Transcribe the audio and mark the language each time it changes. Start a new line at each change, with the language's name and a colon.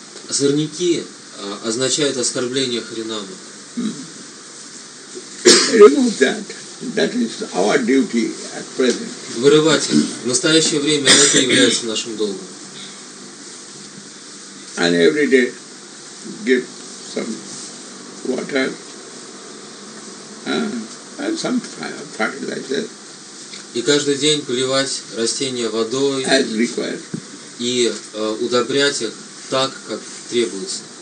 Russian: Сорняки означают оскорбление Харинама.
English: Remove that. That is our duty at present.
Russian: Вырывать их. В настоящее время это является нашим долгом.
English: And every day give some water and some fertilizer.
Russian: И каждый день поливать растения водой и удобрять их так, как требуется.